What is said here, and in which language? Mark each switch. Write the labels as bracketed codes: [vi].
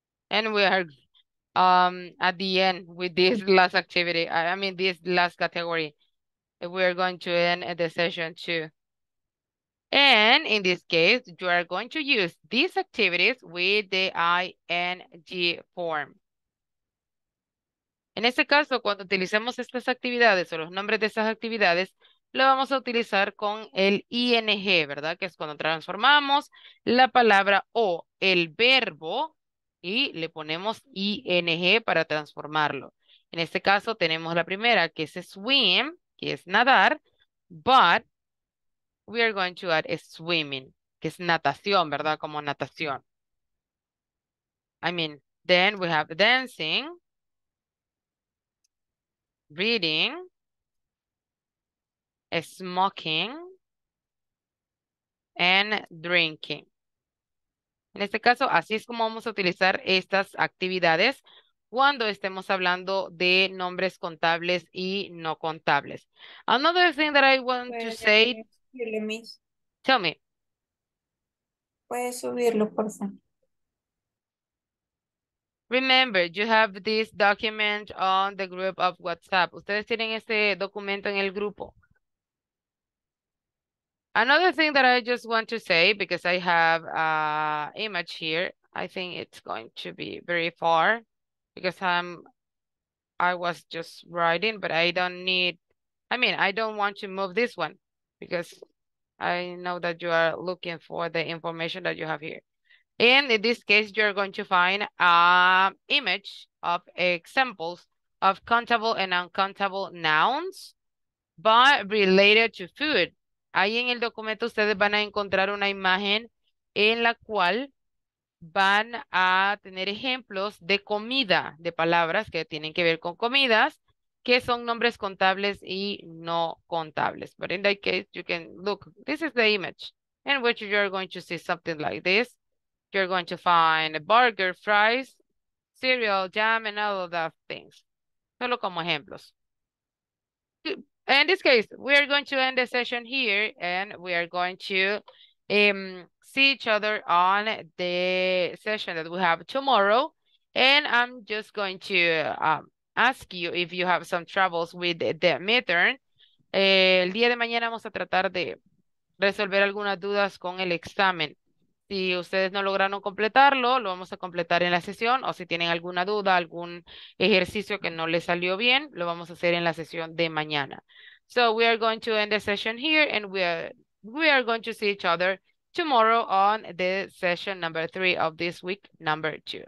[en] And we are at the end with this last activity. I mean, this last category. We are going to end the session too. And in this case, you are going to use these activities with the ing form. [es] En este caso, cuando utilicemos estas actividades o los nombres de esas actividades, lo vamos a utilizar con el ing, ¿verdad? Que es cuando transformamos la palabra o el verbo y le ponemos ing para transformarlo. En este caso, tenemos la primera, que es swim, que es nadar, [en] but we are going to add a swimming, [es] que es natación, ¿verdad? Como natación. [en] I mean, then we have dancing, reading, smoking, and drinking. [es] En este caso, así es como vamos a utilizar estas actividades cuando estemos hablando de nombres contables y no contables. [en] Another thing that I want to say... Miss. Tell me. [es] Puedes subirlo, por favor. [en] Remember, you have this document on the group of WhatsApp. [es] Ustedes tienen este documento en el grupo. [en] Another thing that I just want to say, because I have an image here, I think it's going to be very far, because I was just writing, but I don't need, I mean, I don't want to move this one, because I know that you are looking for the information that you have here. And in this case, you're going to find an image of examples of countable and uncountable nouns, but related to food. [es] Ahí en el documento ustedes van a encontrar una imagen en la cual van a tener ejemplos de comida, de palabras que tienen que ver con comidas, que son nombres contables y no contables. [en] But in that case, you can look. This is the image in which you are going to see something like this. You're going to find a burger, fries, cereal, jam, and all of that things. [es] Solo como ejemplos. [en] In this case, we are going to end the session here and we are going to see each other on the session that we have tomorrow. And I'm just going to ask you if you have some troubles with the midterm. [es] El día de mañana vamos a tratar de resolver algunas dudas con el examen. Si ustedes no lograron completarlo, lo vamos a completar en la sesión, o si tienen alguna duda, algún ejercicio que no les salió bien, lo vamos a hacer en la sesión de mañana. [en] So we are going to end the session here, and we are going to see each other tomorrow on the session number 3 of this week, number 2.